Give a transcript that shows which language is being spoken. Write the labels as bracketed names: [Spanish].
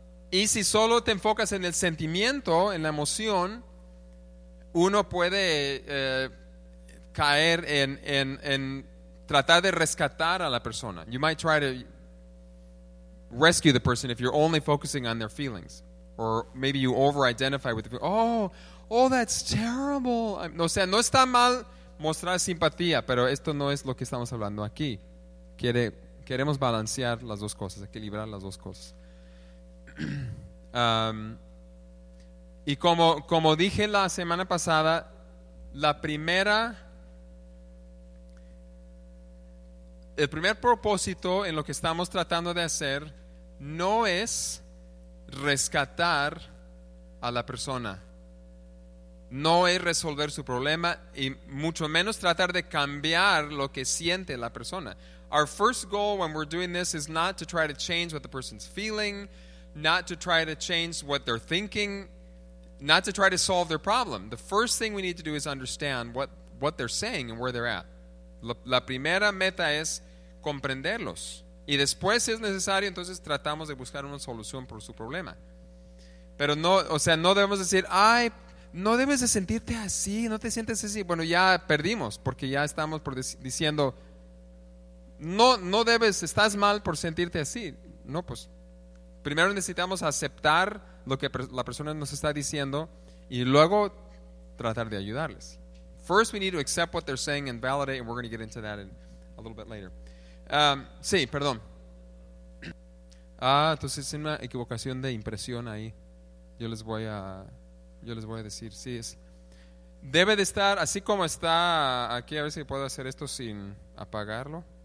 [Spanish] Y si solo te enfocas en el sentimiento, en la emoción, uno puede caer en tratar de rescatar a la persona. [English] You might try to rescue the person if you're only focusing on their feelings. Or maybe you over-identify with the, oh, that's terrible. [Spanish] O sea, no está mal mostrar simpatía, pero esto no es lo que estamos hablando aquí. Queremos balancear las dos cosas, equilibrar las dos cosas. Y como dije la semana pasada, el primer propósito en lo que estamos tratando de hacer no es rescatar a la persona. No es resolver su problema y mucho menos tratar de cambiar lo que siente la persona. [English] Our first goal when we're doing this is not to try to change what the person's feeling, not to try to change what they're thinking, not to try to solve their problem. The first thing we need to do is understand what they're saying and where they're at. [Spanish] La primera meta es comprenderlos. Y después, si es necesario, entonces tratamos de buscar una solución por su problema. Pero no, o sea, no debemos decir, ay, no debes de sentirte así, no te sientes así. Bueno, ya perdimos, porque ya estamos diciendo, no debes, estás mal por sentirte así. No, pues, primero necesitamos aceptar lo que la persona nos está diciendo y luego tratar de ayudarles. [English] First, we need to accept what they're saying and validate, and we're going to get into that in a little bit later. [Spanish] Sí, perdón. Entonces es una equivocación de impresión ahí. Yo les voy a decir, sí es. Debe de estar así como está aquí. A ver si puedo hacer esto sin apagarlo.